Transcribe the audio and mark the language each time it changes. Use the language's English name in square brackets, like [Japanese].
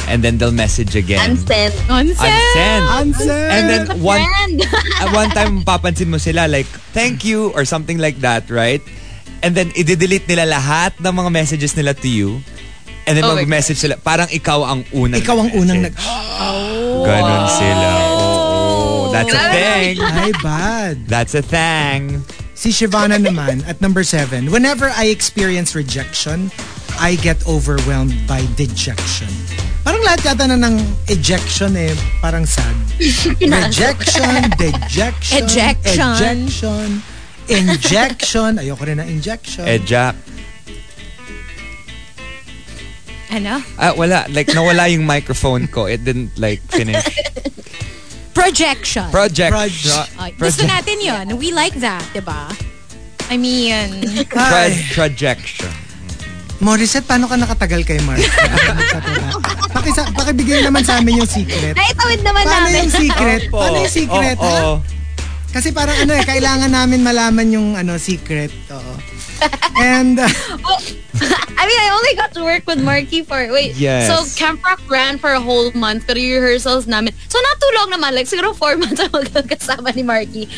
[English] And then they'll message again. Unsend. And then one time, papansin mo sila like, thank you, or something like that, right? [Filipino] And then, i-delete nila lahat ng mga messages nila to you. And then mag-message sila. Parang ikaw ang unang nag- Ganun sila. [English] Oh, that's a thing. [Filipino] Ay, bad. [English] That's a thing. Si Shivana naman, at number 7, whenever I experience rejection, I get overwhelmed by dejection. [Filipino] Parang lahat yata na ng ejection eh, parang sad. Rejection, dejection. [English] Ejection. [Filipino] Injection. Ayoko rin na injection. [English] Eject. [Filipino] Ano? Wala. Like, nawala yung microphone ko. It didn't, like, finish. [English] Projection. Projection. Gusto natin yun. We like that, diba? I mean... Projection. [Filipino] Morissette, paano ka nakatagal kay Mark? Pakibigay naman sa amin yung secret. Ay, tawid naman paano namin. Yung secret? Oh, paano yung secret? Oh, oh. Kasi parang ano eh, kailangan namin malaman yung ano secret. Oh. And, [English] well, I mean, I only got to work with Markki for, wait. Yes. So, Camp Rock ran for a whole month, pero rehearsals namin. So, not too long naman. [Filipino] Like, siguro 4 months ang magkasama ni Markki.